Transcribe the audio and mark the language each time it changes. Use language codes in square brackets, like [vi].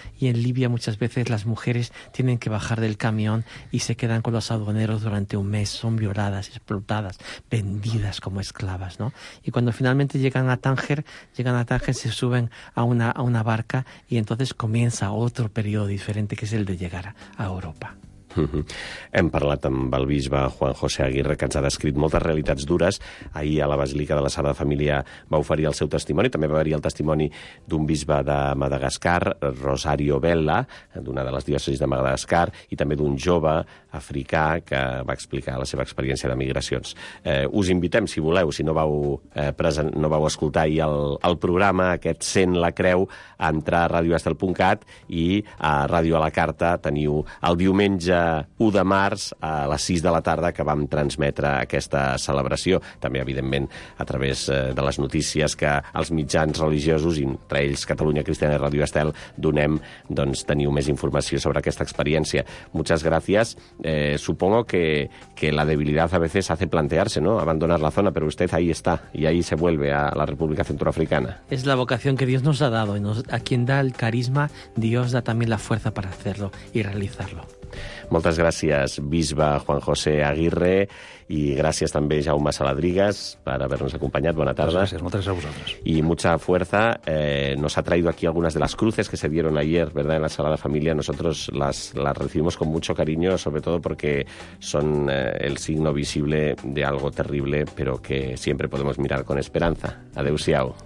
[es] Y en Libia muchas veces las mujeres tienen que bajar del camión y se quedan con los aduaneros durante un mes. Son violadas, explotadas, vendidas como esclavas, ¿no? Y cuando finalmente llegan a Tánger, se suben a una barca y entonces comienza otro periodo diferente, que es el de llegar a Europa. [ca] Hem parlat amb el bisbe Juan José Aguirre, que ens ha descrit moltes realitats dures. Ahir a la Basílica de la Sagrada Família va oferir el seu testimoni, també va haver-hi el testimoni d'un bisbe de Madagascar, Rosario Vela, d'una de les diòcesis de Madagascar, i també d'un jove africà que va explicar la seva experiència de migracions. Us invitem, si voleu, si no vau escoltar ahir el programa, aquest Sent la Creu, a entrar a radioestel.cat i a Ràdio a la Carta. Teniu el diumenge 1 de març a les 6 de la tarda que vam transmetre aquesta celebració. També, evidentment, a través de les notícies que els mitjans religiosos, entre ells Catalunya Cristiana i Ràdio Estel, donem, doncs teniu més informació sobre aquesta experiència. [es] Muchas gracias. Supongo que la debilidad a veces hace plantearse, ¿no?, abandonar la zona, pero usted ahí está y ahí se vuelve a la República Centroafricana. Es la vocación que Dios nos ha dado y a quien da el carisma, Dios da también la fuerza para hacerlo y realizarlo. [ca] Moltes gràcies, bisbe Juan José Aguirre, i gràcies també, Jaume Saladrigas, per haver-nos acompanyat. Bona tarda. Moltes gràcies, moltes gràcies a vosaltres. [es] I mucha fuerza. Nos ha traído aquí algunas de las cruces que se dieron ayer, ¿verdad?, en la Sagrada Familia. Nosotros las recibimos con mucho cariño, sobre todo porque son el signo visible de algo terrible, pero que siempre podemos mirar con esperanza. [ca] Adeu-siau.